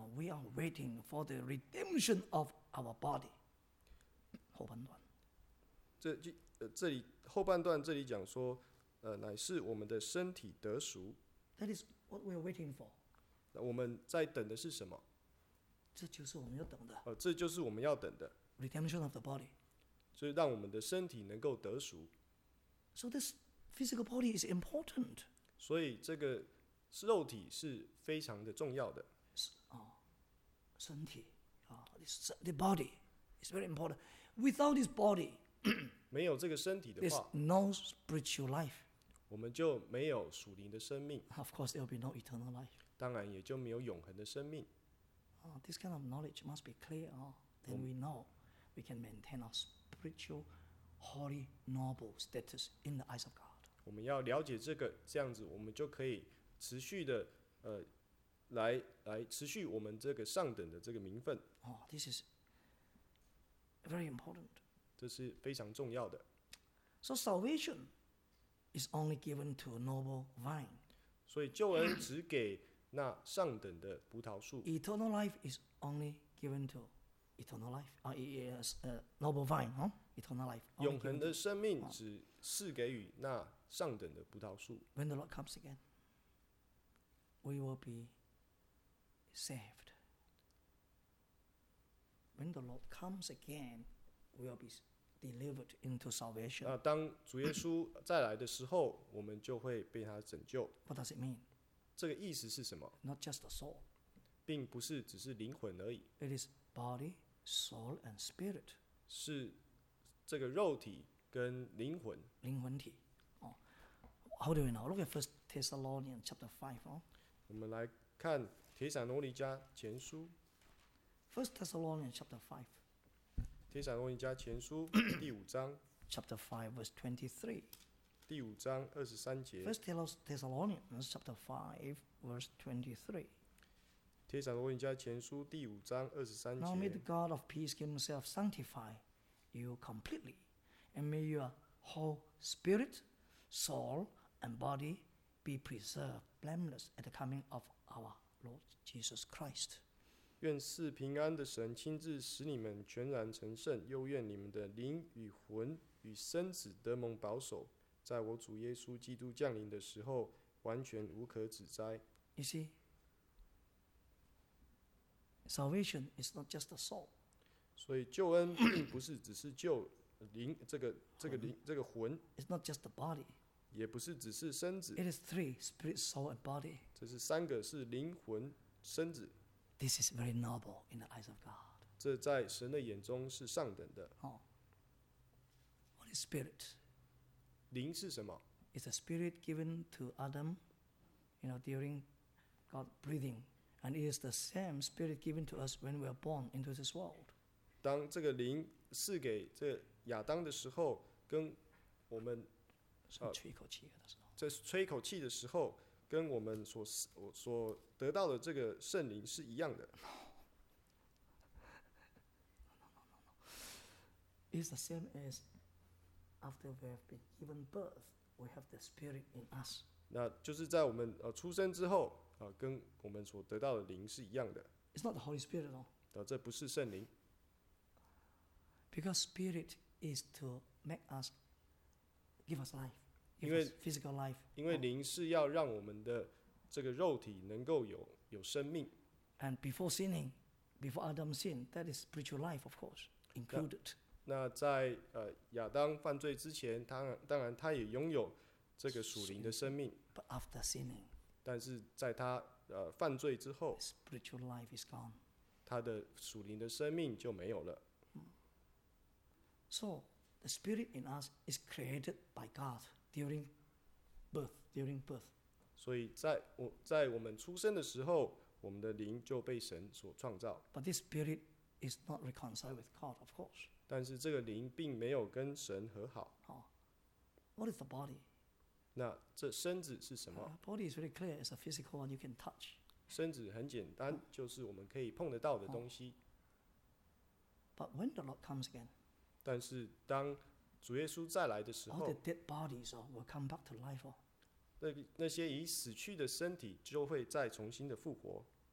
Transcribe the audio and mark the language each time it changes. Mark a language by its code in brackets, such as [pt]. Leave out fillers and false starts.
[en] We are waiting for the redemption of our body. [zh] 后半段。这里后半段这里讲说，乃是我们的身体得赎。 [en] That is what we are waiting for. [zh] 那我们在等的是什么？这就是我们要等的。这就是我们要等的。 [en] Redemption of the body. [zh] 就让我们的身体能够得赎。 [en] So this physical body is important. [zh] 所以这个。肉体是非常的重要的。 [en] 身体the body is very important. Without this body, [zh] 没有这个身体的话 [en] ，there's no spiritual life. [zh] 我们就没有属灵的生命。 [en] Of course, there will be no eternal life. [zh] 当然也就没有永恒的生命。 [en] This kind of knowledge must be clear, then we know we can maintain our spiritual, holy, noble status in the eyes of God. [zh] 我们要了解这个，这样子我们就可以持续的来持续我们这个上等的这个名分。 [en] This is very important. [zh] 这是非常重要的。 [en] So salvation is only given to a noble vine. [zh] 所以救恩只给那上等的葡萄树。 [en] Eternal life is only given to eternal life. Noble vine, Eternal life. [zh] 永恒的生命只赐给予那上等的葡萄树。 [en] When the Lord comes again, we will be saved. When the Lord comes again, we will be delivered into salvation. [zh] 那当主耶稣再来的时候，我们就会被他拯救。 [en] What does it mean? [zh] 这个意思是什么？ [en] Not just the soul. [zh] 并不是只是灵魂而已。 [en] It is body, soul, and spirit. [zh] 是这个肉体跟灵魂。 [en] 灵魂体。How do we know? Look at 1 Thessalonians chapter 5. [zh] 我们来看帖撒罗尼迦前书。 [en] 1 Thessalonians chapter 5. [zh] 帖撒罗尼迦前书第五章。 [en] Chapter 5 verse 23. [zh] 第五章二十三节。 [en] First Thessalonians chapter 5 verse 23. [zh] 帖撒罗尼迦前书第五章二十三节。 [en] Now may the God of peace himself sanctify you completely, and may your whole spirit, soul, and body be preserved blameless at the coming of our Lord Jesus Christ. [zh] 愿赐平安的神亲自使你们全然成圣，又愿你们的灵与魂与身子得蒙保守。在我主耶稣基督降临的时候，完全无可指摘。 [en] You see, salvation is not just the soul. [zh] 所以救恩并不是只是救灵，这个魂。 [en] It's not just the body. [zh] 也不是只是身子。 [en] It is three: spirit, soul, and body. [zh] 这是三个，是灵魂、身子。 [en] This is very noble in the eyes of God. [zh] 这在神的眼中是上等的。 [en] What is spirit? [zh] 灵是什么？ [en] It's a spirit given to Adam, you know, during God breathing, and it is the same spirit given to us when we are born into this world. [zh] 当这个灵赐给这亚当的时候，跟我们吹一口气的时候，在吹一口气的时候，跟我们所得到的这个圣灵是一样的。 [en] No. It's the same as. After we have been given birth, we have the spirit in us. [zh] 那就是在我们出生之后跟我们所得到的灵是一样的。 [en] It's not the Holy Spirit at all. [zh] 这不是圣灵。 [en] Because spirit is to make us give us life, give us physical life. [zh] 因为灵是要让我们的这个肉体能够有生命。 [en] And before sinning, before Adam sinned, that is spiritual life, of course, included. [zh] 那在亚当犯罪之前，当然他也拥有这个属灵的生命。 [en] But after sinning, [zh] 但是在他犯罪之后 [en] ，spiritual life is gone. [zh] 他的属灵的生命就没有了。 [en] So the spirit in us is created by God during birth. During birth. [zh] 所以在我们出生的时候，我们的灵就被神所创造。 [en] But this spirit is not reconciled with God, of course. [zh] 但是这个灵并没有跟神和好。 [en] What is the body? [zh] 那这身子是什么？ [en] Body is very clear, it's a physical one you can touch. [zh] 身子很简单，就是我们可以碰得到的东西。 [en] But when the Lord comes again, [zh] 但是当主耶稣再来的时候， [en] all the dead bodies will come back to life. [zh] 那些已死去的身体就会再重新的复活。